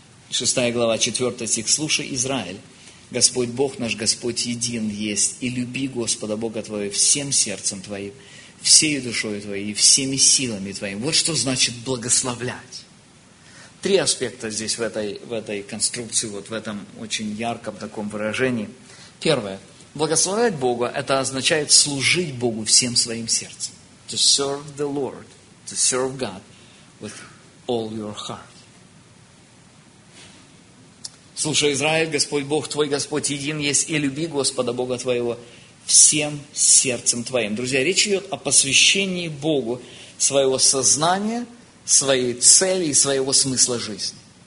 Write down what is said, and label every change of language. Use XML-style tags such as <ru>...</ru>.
<ru>6 глава, 4 стих. «Слушай, Израиль, Господь Бог наш, Господь един есть, и люби Господа Бога твоего всем сердцем твоим, всей душой твоей и всеми силами твоими». Вот что значит благословлять. Три аспекта здесь в этой конструкции, вот в этом очень ярком таком выражении. Первое. Благословлять Бога, это означает служить Богу всем своим сердцем.</ru> <en>To serve the Lord, to serve God with all your heart.</en> <ru>Слушай, Израиль, Господь Бог твой, Господь един есть, и люби Господа Бога твоего всем сердцем твоим. Друзья, речь идет о посвящении Богу своего сознания, своей цели и своего смысла жизни.</ru>